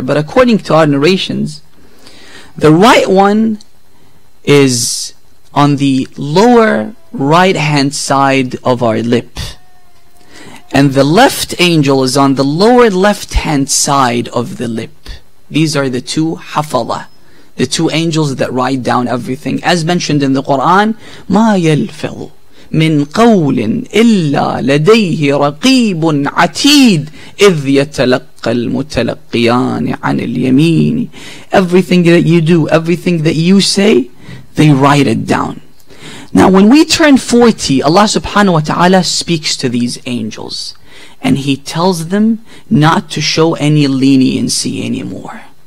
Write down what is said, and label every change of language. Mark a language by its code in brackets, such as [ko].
[en] But according to our narrations, the right one is on the lower right hand side of our lip, and the left angel is on the lower left hand side of the lip. These are the two hafala, the two angels that write down everything. As mentioned in the Quran, [ar] مَا يَلْفِظُ مِنْ قَوْلٍ إِلَّا لَدَيْهِ رَقِيبٌ عَتِيدٌ إِذْ يَتَلَقَّ الْمُتَلَقِّيَانِ عَنِ الْيَمِينِ. [en] Everything that you do, everything that you say, they write it down. Now when we turn 40, Allah subhanahu wa ta'ala speaks to these angels and he tells them not to show any leniency anymore.